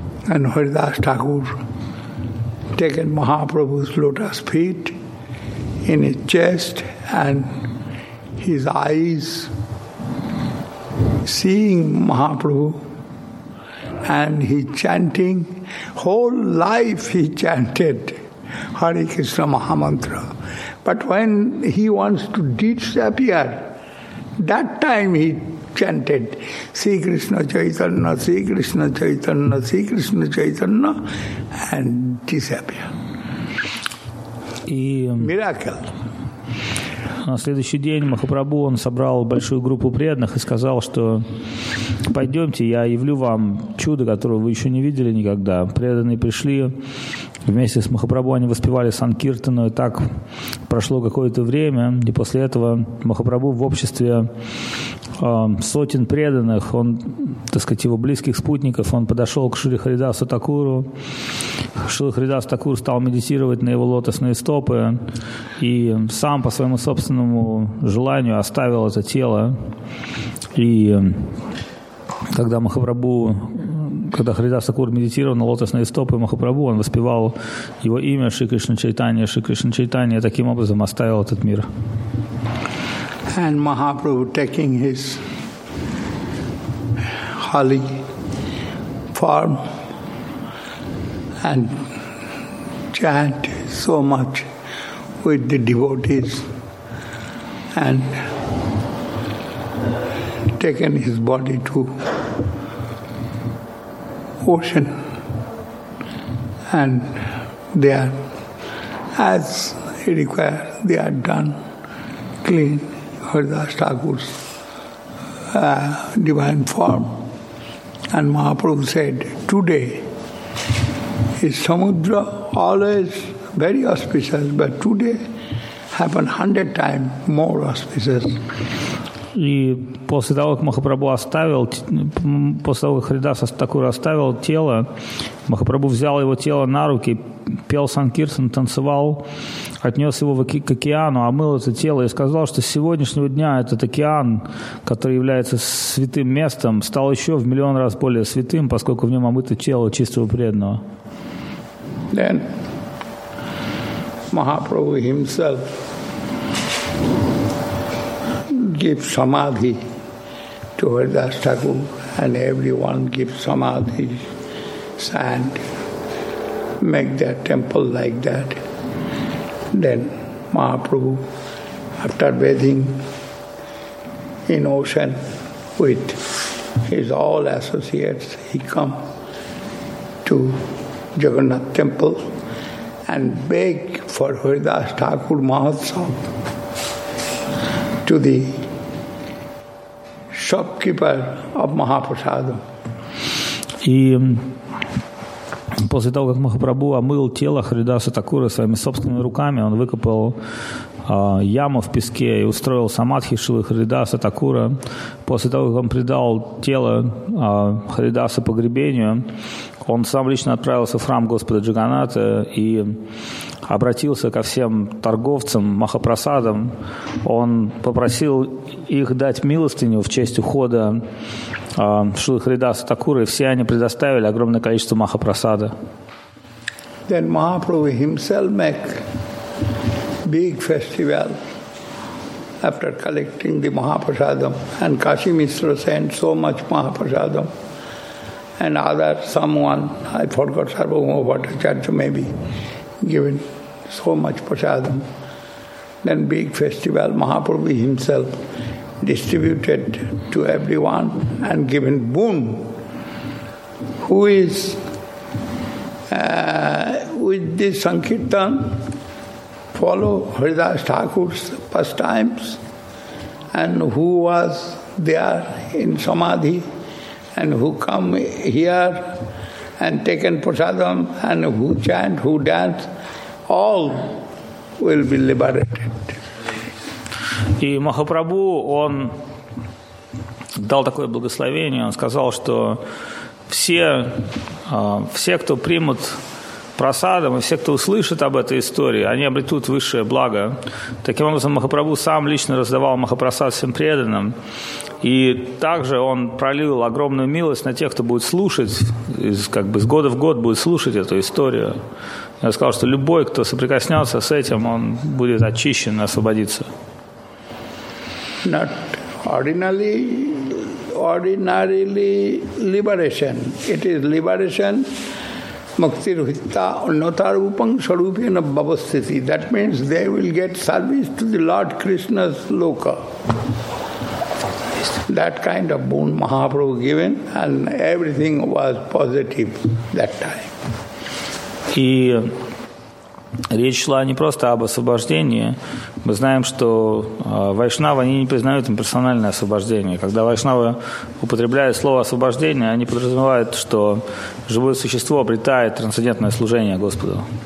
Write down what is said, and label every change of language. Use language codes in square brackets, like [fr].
[en] And Haridas Thakur taken Mahaprabhu's lotus feet in his chest and his eyes seeing Mahaprabhu, and he chanting, whole life he chanted Hare Krishna Mahamantra. But when he wants to disappear, that time he chanted Sri Krishna Chaitanya, Sri Krishna Chaitanya, Sri Krishna Chaitanya, and disappear. Miracle. [ru] На следующий день Махапрабху, он собрал большую группу преданных и сказал, что пойдемте, я явлю вам чудо, которого вы еще не видели никогда. Преданные пришли, вместе с Махапрабху они воспевали Санкиртану, и так прошло какое-то время, и после этого Махапрабху в обществе сотен преданных, он, так сказать, его близких спутников, он подошел к Шри Харидасу Такуру. Шри Харидас Такур стал медитировать на его лотосные стопы и сам по своему собственному желанию оставил это тело. И когда Махапрабху, когда Харидас Такур медитировал на лотосные стопы Махапрабху, он воспевал его имя Шри Кришна Чайтанья, Шри Кришна Чайтанья, и таким образом оставил этот мир. [en] And Mahaprabhu taking his holy form and chant so much with the devotees and taken his body to ocean and they are as he required, they are done clean. Haridas Thakur's divine form. And Mahaprabhu said, today is Samudra, always very auspicious, but today happen 100 times more auspices. [ru] И после того, как Махапрабху оставил, после того, как Харидаса Такура оставил тело, Махапрабху взял его тело на руки, пел санкиртан, танцевал, отнес его к океану, омыл это тело и сказал, что с сегодняшнего дня этот океан, который является святым местом, стал еще в миллион раз более святым, поскольку в нем омыто тело чистого преданного. [en] Then Mahaprabhu himself give samadhi to Haridas Thakur, and everyone give samadhi and make their temple like that. Then Mahaprabhu, after bathing in ocean with his all associates, he come to Jagannath temple and beg for Haridas Thakur Mahatsav to the shopkeeper of Mahaprasadam. [ru] И после того, как Махапрабху омыл тело Харидаса Такура своими собственными руками, он выкопал яму в песке и устроил самадхи Шилы Харидаса Такура. После того, как он предал тело Харидаса погребению, он сам лично отправился в храм Господа Джаганнатха и обратился ко всем торговцам Махапрасадам. Он попросил их дать милостыню в честь ухода Шилы Харидаса Такура, и все они предоставили огромное количество Махапрасада. [en] Then Mahaprabhu himself make big festival after collecting the Mahaprasadam, and Kashi Mishra sent so much Mahaprasadam, and other someone, I forgot Sarvabhauma Bhattacharya maybe, given so much prasadam. Then big festival, Mahaprabhu himself distributed to everyone and given boon. Who is with this Sankirtan follow Haridas Thakur's pastimes, and who was there in Samadhi, and who come here and taken prasadam, and who chant, who dance, all will be liberated. [ru] И Махапрабху, он дал такое благословение, он сказал, что все, кто примут прасадом, и все, кто услышит об этой истории, они обретут высшее благо. Таким образом, Махапрабху сам лично раздавал Махапрасад всем преданным. И также он пролил огромную милость на тех, кто будет слушать, как бы с года в год будет слушать эту историю. Я сказал, что любой, кто соприкоснется с этим, он будет очищен, освободится. [en] Not ordinarily, ordinarily liberation. It is liberation. [sa] Mukti ruhita unnatar upang sarupena babasthiti. [en] That means they will get service to the Lord Krishna's loka. That kind of boon Mahaprabhu given, and everything was positive that time. [ru] И речь шла не просто об освобождении. Мы знаем, что вайшнавы, они не признают им персональное освобождение. Когда вайшнавы употребляют слово освобождение, они подразумевают, что живое существо обретает трансцендентное служение Господу.